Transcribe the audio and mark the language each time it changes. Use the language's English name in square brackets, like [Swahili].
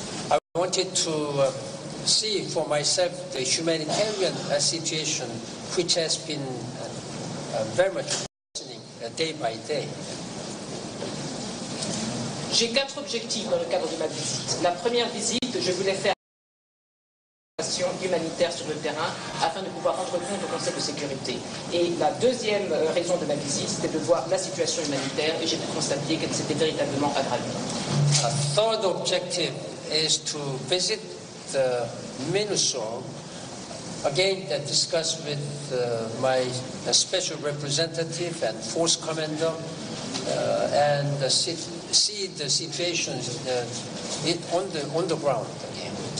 [English] I wanted to see for myself the humanitarian situation, which has been very much worsening day by day. [French] J'ai quatre objectifs dans le cadre de ma visite. La première visite, je voulais faire une action humanitaire sur le terrain afin de pouvoir rendre compte au Conseil de sécurité. Et la deuxième raison de ma visite, c'était de voir la situation humanitaire et j'ai pu constater qu'elle s'était véritablement aggravée. [English] A third objective is to visit the MINURSO again and discuss with my special representative and force commander and see the situation on the ground again.